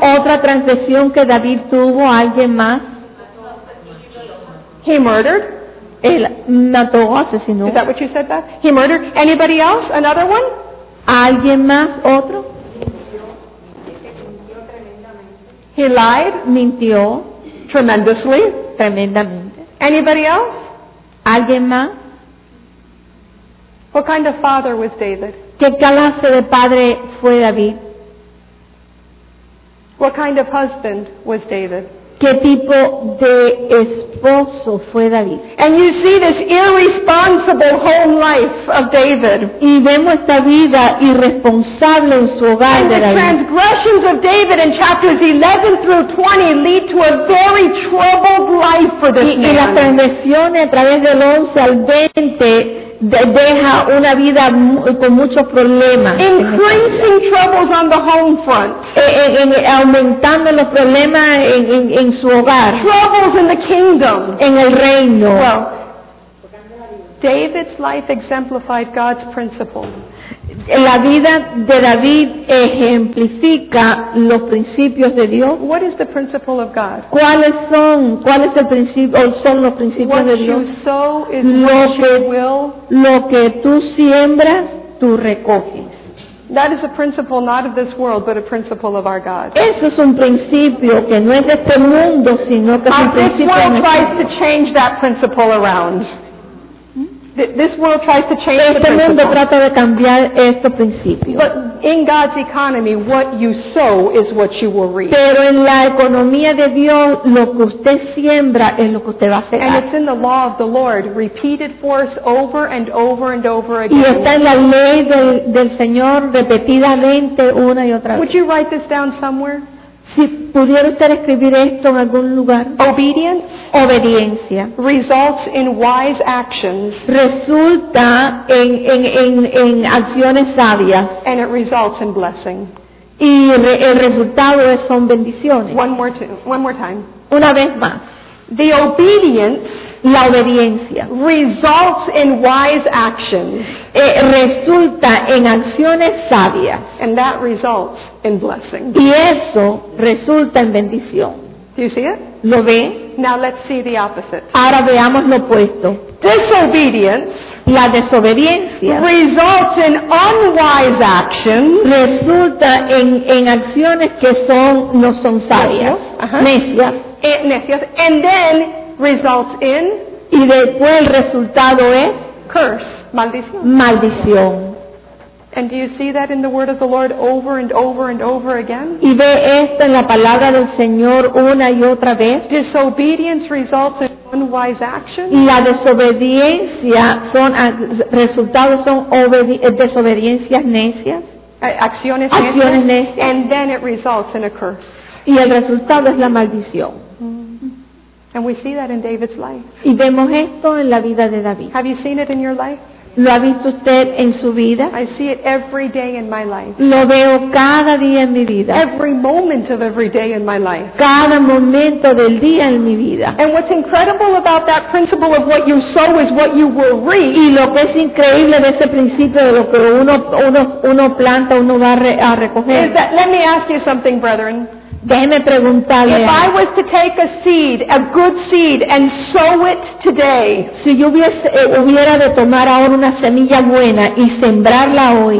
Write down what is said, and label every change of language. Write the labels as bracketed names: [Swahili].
[Spanish] Otra transgresión que David tuvo, alguien más. [English] He murdered. [Spanish] Él mató, asesinó. [English] Is that what you said, Beth? He murdered. Anybody else? Another one? [Spanish] ¿Alguien más? ¿Otro? [English] He lied. [Spanish] Mintió. [English] Tremendously. [Spanish] Tremendamente. [English] Anybody else? [Spanish] ¿Alguien más? [English] What kind of father was David? [Spanish] ¿Qué clase de padre fue David? [English] What kind of husband was David? [Spanish] ¿Qué tipo de esposo fue David? [English] And you see this irresponsible home life of David. [Spanish] Y vemos esta vida irresponsable en su hogar de David. [English] And the transgressions of David in chapters 11 through 20 lead to a very troubled life for this man. [Spanish] Y las transgresiones a través del 11 al 20 deja una vida con muchos problemas. [English] Increasing troubles on the home front. [Spanish] Aumentando los problemas en su hogar. [English] Troubles in the kingdom. [Spanish] En el reino. [English] Well, David's life exemplified God's principle. [Spanish] La vida de David ejemplifica los principios de Dios. [English] What is the principle of God? [Spanish] ¿Cuáles son los principios [English] what [Spanish] de Dios? [English] You sow is lo, what que, you will. [Spanish] Lo que tú siembras, tú recoges. [English] That is a principle not of this world, but a principle of our God. [Spanish] Eso es un principio que no es de este mundo, sino que es un principio de nuestro. [English] This world tries to change that principle around. This world tries to change [Spanish] este mundo trata de cambiar estos principios. [English] But in God's economy, what you sow is what you will reap. [Spanish] Pero en la economía de Dios, lo que usted siembra es lo que usted va a sembrar. [English] And it's in the law of the Lord, repeated for us over and over and over again. [Spanish] Y está en la ley del Señor repetidamente una y otra vez. [English] Would you write this down somewhere? [Spanish] Si pudiera usted escribir esto en algún lugar. [English] Obedience. [Spanish] Obediencia. [English] Results in wise actions. [Spanish] Resulta en acciones sabias. [English] And it results in blessing. [Spanish] Y el resultado es son bendiciones. [English] One more time. [Spanish] Una vez más. [English] The obedience. [Spanish] La obediencia. [English] Results in wise actions. [Spanish] Resulta en acciones sabias. [English] And that results in blessing. [Spanish] Y eso resulta en bendición. [English] Do you see it? [Spanish] ¿Lo ve? [English] Now let's see the opposite. [Spanish] Ahora veamos lo opuesto. [English] Disobedience. [Spanish] La desobediencia. [English] Results in unwise actions. [Spanish] Resulta en acciones que son no son sabias. Necias. [English] Uh-huh. Necias. And then results in, [Spanish] y después el resultado es [English] curse, [Spanish] maldición. [English] And do you see that in the word of the Lord over and over and over again? [Spanish] Y ve esto en la palabra del Señor una y otra vez. [English] Disobedience results in unwise action. [Spanish] Y la desobediencia son resultados son desobediencias necias. Acciones necias. [English] And then it results in a curse. [Spanish] Y el resultado es la maldición. [English] And we see that in David's life. [Spanish] Y vemos esto en la vida de David. [English] Have you seen it in your life? [Spanish] ¿Lo ha visto usted en su vida? [English] I see it every day in my life. [Spanish] Lo veo cada día en mi vida. [English] Every moment of every day in my life. [Spanish] Cada momento del día en mi vida. [English] And what's incredible about that principle of what you sow is what you will reap. [Spanish] Y lo que es increíble de ese principio de lo que uno planta, uno va a recoger. [English] Is that, let me ask you something, brethren. [Spanish] Déjeme preguntarle. [English] If I was to take a seed, a good seed, and sow it today, [Spanish] si yo hubiera de tomar ahora una semilla buena y sembrarla hoy,